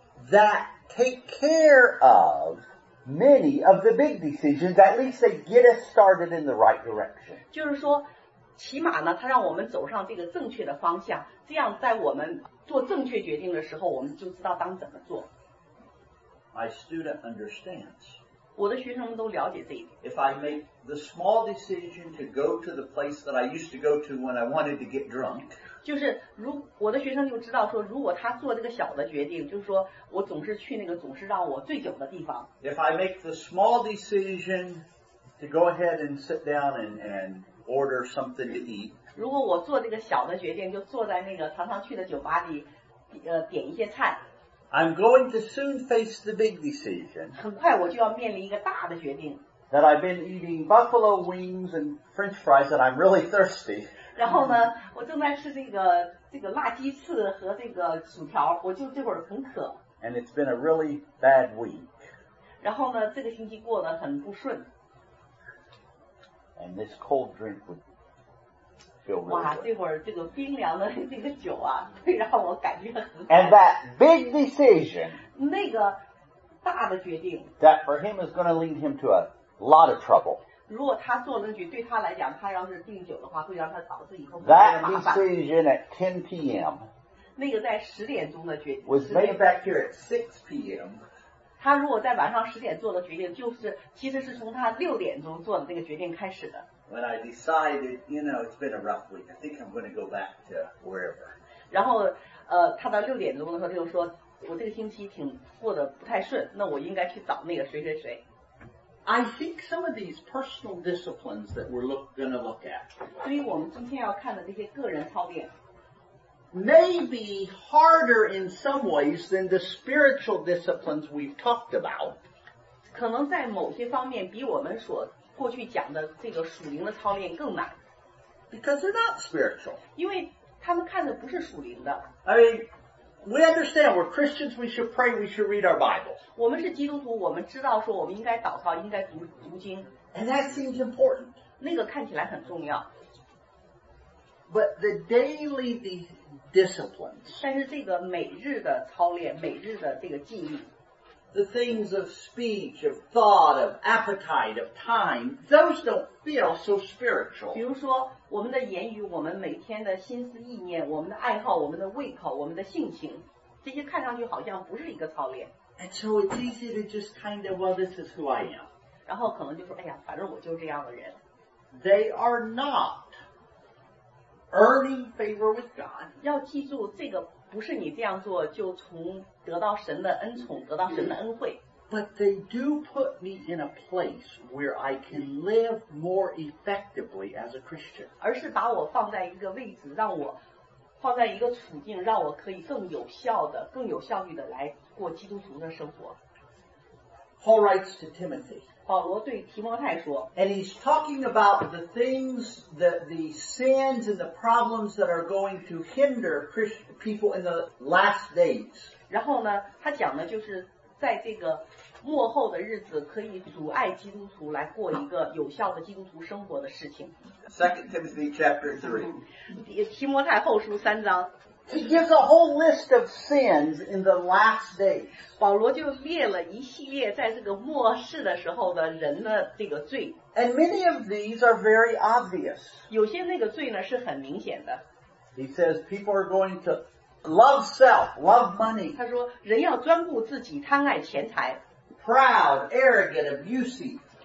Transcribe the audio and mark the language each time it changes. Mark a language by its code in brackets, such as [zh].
[en] that take care of. Many of the big decisions, at least they get us started in the right direction. [zh] 就是说，起码呢，它让我们走上这个正确的方向。这样，在我们做正确决定的时候，我们就知道当怎么做。 [en] My student understands. [zh] 我的学生们都了解这一点。 [en] If I make the small decision to go to the place that I used to go to when I wanted to get drunk. [zh] 就是如我的学生就知道说，如果他做这个小的决定，就是说。我总是去那个总是让我醉酒的地方。 [en] If I make the small decision to go ahead and sit down and order something to eat, [zh] 如果我做这个小的决定，就坐在那个常常去的酒吧里，点一些菜。 [en] I'm going to soon face the big decision. [zh] 很快我就要面临一个大的决定。 [en] That I've been eating buffalo wings and French fries and I'm really thirsty. [zh] 然后呢，我正在吃这个辣鸡翅和这个薯条，我就这会儿很渴。 [en] And it's been a really bad week. [zh] 然后呢，这个星期过得很不顺。 [en] And this cold drink would feel really good. [zh] 哇，这会儿这个冰凉的这个酒啊，会让我感觉很。 [en] And that big decision. [zh] 那个大的决定。 [en] That for him is going to lead him to a lot of trouble. [zh] 如果他做了决定，对他来讲，他要是订酒的话，会让他导致以后。 [en] That decision at 10 p.m. [zh] 那个在十点钟的决定 [en] was made back here at 6 p.m. [zh] 他如果在晚上十点做的决定，就是其实是从他6点钟做的那个决定开始的。 [en] When I decided, you know, it's been a rough week. I think I'm going to go back to wherever. [zh] 然后他到六点钟的时候他就说，我这个星期挺过得不太顺，那我应该去找那个谁谁谁。 [en] I think some of these personal disciplines that we're going to look at. [zh] 所以我们今天要看的这些个人操练。 [en] May be harder in some ways than the spiritual disciplines we've talked about. [zh] 可能在某些方面比我们所过去讲的这个属灵的操练更难。 [en] Because they're not spiritual. [zh] 因为他们看的不是属灵的。 [en] I mean, we understand we're Christians, we should pray, we should read our Bible. [zh] 我们是基督徒，我们知道说我们应该祷告，应该读经。 [en] And that seems important. [zh] 那个看起来很重要。 [en] But the daily the disciplines. [zh] 但是这个每日的操练，每日的这个纪律。 [en] The things of speech, of thought, of appetite, of time, those don't feel so spiritual. [zh] 比如说我们的言语，我们每天的心思意念，我们的爱好，我们的胃口，我们的性情，这些看上去好像不是一个操练。 [en] And so it's easy to just kind of, well, this is who I am. [zh] 然后可能就说，哎呀，反正我就这样的人。 [en] They are not earning favor with God. [zh] 要记住这个。不是你这样做就从得到神的恩宠，得到神的恩惠。 [en] But they do put me in a place where I can live more effectively as a Christian. [zh] 而是把我放在一个位置，让我放在一个处境，让我可以更有效的、更有效率的来过基督徒的生活。 [en] Paul writes to Timothy. [zh] 保罗对提摩太说。 [en] And he's talking about the things, the sins and the problems that are going to hinder Christians. People in the last days. [zh] 然后呢，他讲的就是在这个末后的日子可以阻碍基督徒来过一个有效的基督徒生活的事情。 [en] Second Timothy chapter 3. [zh] 提摩太后书三章。 [en] He gives a whole list of sins in the last days. [zh] 保罗就列了一系列在这个末世的时候的人的这个罪。 [en] And many of these are very obvious. [zh] 有些那个罪呢是很明显的。 [en] He says people are going to love self, love money. [zh] 他说人要专顾自己，贪爱钱财。 [en] Proud, arrogant, abusive.